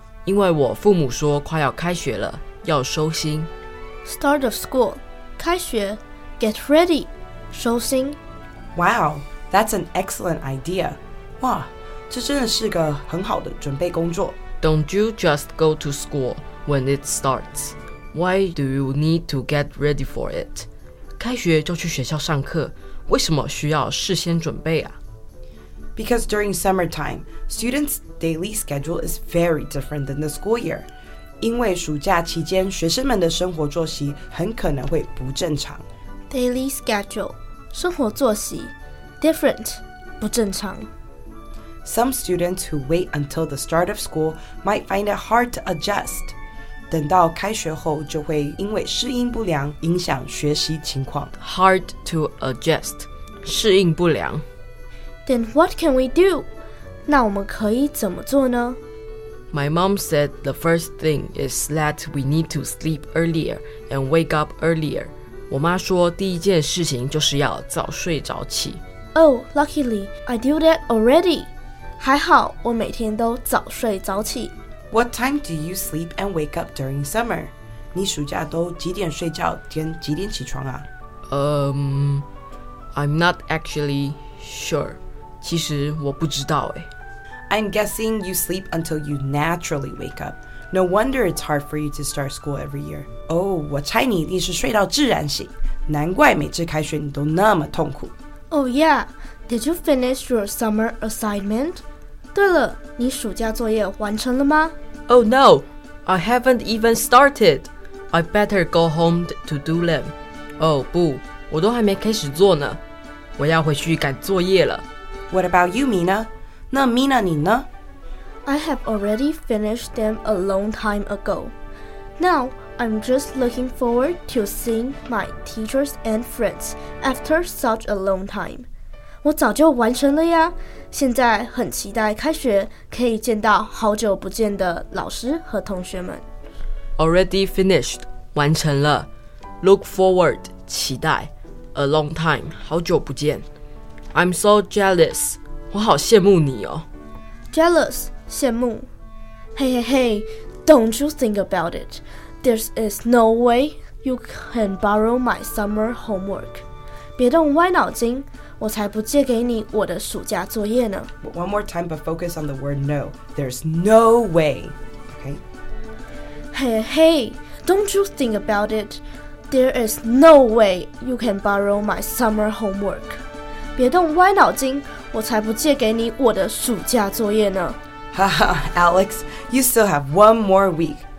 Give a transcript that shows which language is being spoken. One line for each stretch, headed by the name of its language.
Chinese: 因为我父母说快要开学了，要收心。
English: Start of school,
Chinese: 开学
English: ,get ready,
Chinese: 收心。
English: Wow, that's an excellent idea.
Chinese: 哇，这真的是个很好的准备工作。
English: Don't you just go to school when it starts? Why do you need to get ready for it?
Chinese: 开学就去学校上课，为什么需要事先准备啊？
English: Because during summertime, students' daily schedule is very different than the school year.
Chinese: 因为暑假期间，学生们的生活作息很可能会不正常。
English: Daily schedule,
Chinese: 生活作息
English: ,different,
Chinese: 不正常。
English: Some students who wait until the start of school might find it hard to adjust.
Chinese: 等到开学后就会因为适应不良影响学习情况。
English: Hard to adjust,
Chinese: 适应不良。
English: Then what can we do?
Chinese: 那我们可以怎么做呢？
English: My mom said the first thing is that we need to sleep earlier and wake up earlier.
Chinese: 我妈说第一件事情就是要早睡早起。
English: Oh, luckily, I do that already.
Chinese: 还好我每天都早睡早起。
English: What time do you sleep and wake up during summer?
Chinese: 你暑假都几点睡觉跟几点起床啊？
English: I'm not actually sure.
Chinese: 其实我不知道诶。
English: I'm guessing you sleep until you naturally wake up. No wonder it's hard for you to start school every year.
Chinese: Oh, 我猜你一定是睡到自然醒。难怪每次开学你都那么痛苦。
English: Oh yeah, did you finish your summer assignment?
Chinese: 对了，你暑假作业完成了吗？
English: Oh no, I haven't even started. I better go home to do them.
Chinese: Oh, 不，我都还没开始做呢。我要回去赶作业了。
English: What about you, Mina? 那 Mina 你呢？ I have already finished them a long time ago. Now, I'm just looking forward to seeing my teachers and friends after such a long time.
Chinese: 我早就完成了呀，现在很期待开学可以见到好久不见的老师和同学们。
English: Already finished,
Chinese: 完成了。
English: Look forward,
Chinese: 期待。
English: A long time,
Chinese: 好久不见。
English: I'm so jealous,
Chinese: 我好羡慕你哦。
English: Jealous,
Chinese: 羡慕。
English: Hey, hey, hey, don't you think about it. There is no way you can borrow my summer homework.
Chinese: 别动歪脑筋。我才不借给你我的暑假作业呢。
English: One more time, but focus on the word no. There's no way. Okay. Hey, hey, don't you think about it. There is no way you can borrow my summer homework.
Chinese: 别动歪脑筋，我才不借给你我的暑假作业呢。
English: 哈哈 ，Alex, you still have one more week.